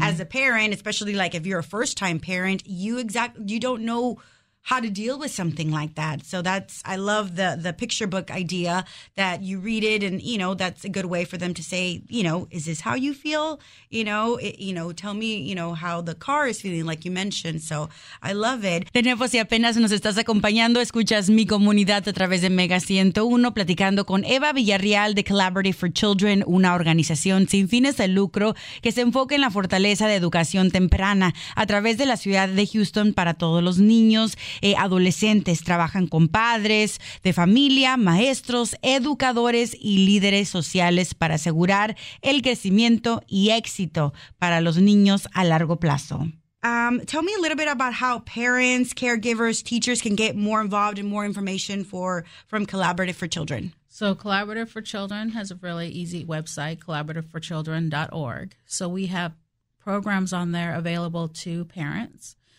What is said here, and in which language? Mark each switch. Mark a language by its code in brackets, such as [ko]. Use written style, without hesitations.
[en] as a parent, especially like if you're a first time parent, you don't know how to deal with something like that. So I love the picture book idea that you read it and, you know, that's a good way for them to say, you know, is this how you feel? You know, tell me, you know, how the car is feeling, like you mentioned. So I love it. [es] De nuevo, si apenas nos estás acompañando, escuchas Mi Comunidad a través de Mega 101, platicando con Eva Villarreal de Collaborative for Children, una organización sin fines de lucro que se enfoca en la fortaleza de educación temprana a través de la ciudad de Houston para todos los niños. Adolescentes trabajan con padres de familia, maestros, educadores y líderes sociales para asegurar el crecimiento y éxito para los niños a largo plazo. [en] Tell me a little bit about how parents, caregivers, teachers can get more involved and more information from Collaborative for Children. So Collaborative for Children has a really easy website, collaborativeforchildren.org. So we have programs on there available to parents.